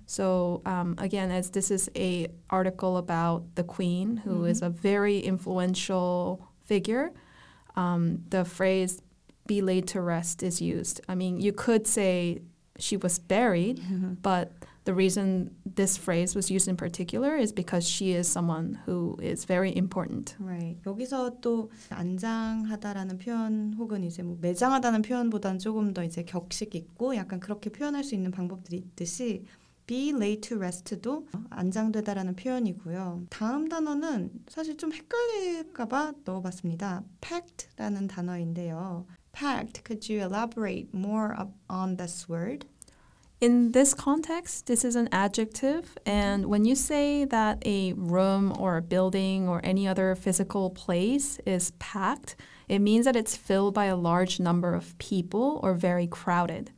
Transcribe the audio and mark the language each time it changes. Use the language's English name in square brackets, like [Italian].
[English] So again, as this is a article about the queen, who mm-hmm. is a very influential figure, the phrase be laid to rest is used. I mean, you could say she was buried, but the reason this phrase was used in particular is because she is someone who is very important. Right. [Korean] 여기서 또 안장하다라는 표현 혹은 이제 뭐 매장하다는 표현보다는 조금 더 이제 격식 있고 약간 그렇게 표현할 수 있는 방법들이 있듯이 [English] be laid to rest [Korean] 도 안장되다라는 표현이고요. 다음 단어는 사실 좀 헷갈릴까 봐 넣어봤습니다. packed라는 단어인데요. [English] Packed, could you elaborate more on this word? In this context, this is an adjective, and mm-hmm. when you say that a room or a building or any other physical place is packed, it means that it's filled by a large number of people or very crowded.